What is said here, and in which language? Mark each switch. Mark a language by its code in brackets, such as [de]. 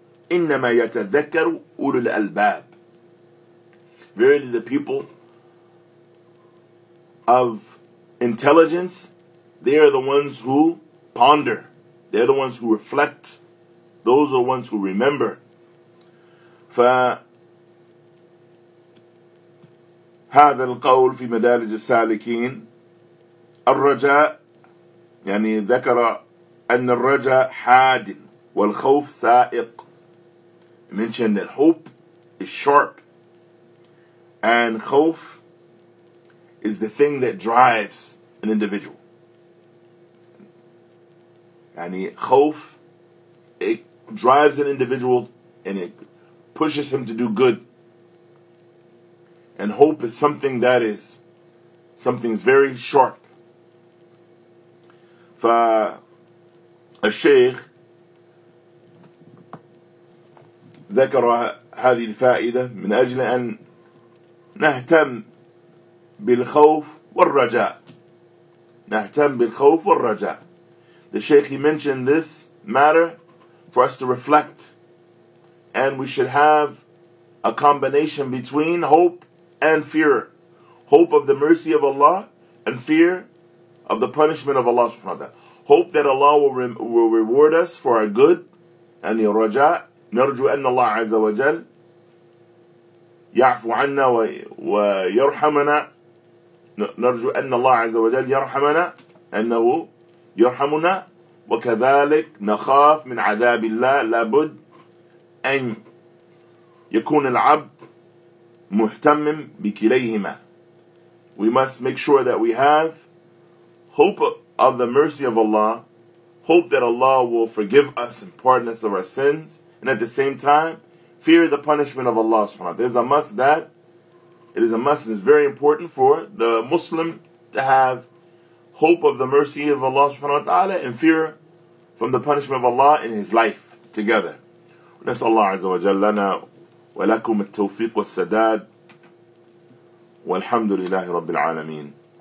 [ar] إنما يتذكر أولو الألباب, [en] verily the people of intelligence, they are the ones who ponder, they are the ones who reflect, those are the ones who remember. [ar] فهذا القول في مدارج السالكين. الرجاء, يعني ذكر أن الرجاء حاد والخوف سائق. [en] Mentioned that hope is sharp and خوف is the thing that drives an individual. [ar] يعني خوف, [en] it drives an individual and it pushes him to do good. And hope is something that is, something's very sharp. [ar] فالشيخ ذكر هذه الفائدة من أجل أن نهتم بالخوف والرجاء. نهتم بالخوف والرجاء. [en] The Sheikh, he mentioned this matter for us to reflect, and we should have a combination between hope and fear. Hope of the mercy of Allah and fear of the punishment of Allah subhanahu wa ta'ala. Hope that Allah will reward us for our good, and the raja, [ar] نرجو أن الله عز وجل يعفو عنا ويرحمنا. نرجو أن الله عز وجل يرحمنا أنه يرحمنا. وكذلك نخاف من عذاب الله. لابد أن يكون العبد مهتم بكليهما. [en] We must make sure that we have hope of the mercy of Allah, hope that Allah will forgive us and pardon us of our sins, and at the same time, fear the punishment of Allah subhanahu wa ta'ala. There's a must that, it is a must that is very important for the Muslim to have hope of the mercy of Allah subhanahu wa ta'ala and fear from the punishment of Allah in his life together. [ar] نسأل الله عز وجل لنا ولكم التوفيق والسداد والحمد لله رب العالمين.